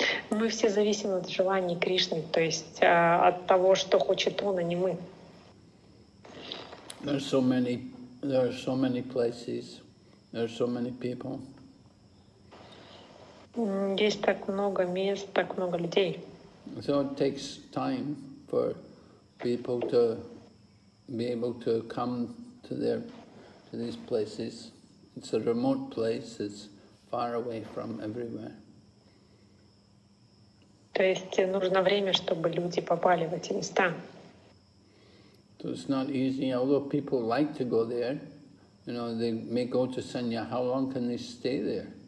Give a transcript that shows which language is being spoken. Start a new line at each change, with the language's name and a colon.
Russian: Мы все зависим от желаний Кришны, то есть от того, что хочет он, а не мы.
English: There are so many places, there are so many people.
Russian: Есть так много мест, так много людей.
English: So it takes time for people to be able to come to their to these places. It's a remote place, it's far away from everywhere.
Russian: То есть нужно время, чтобы люди попали в эти места.
English: So it's not easy, although people like to go there, you know, they may go to Sanya, how long can they stay there?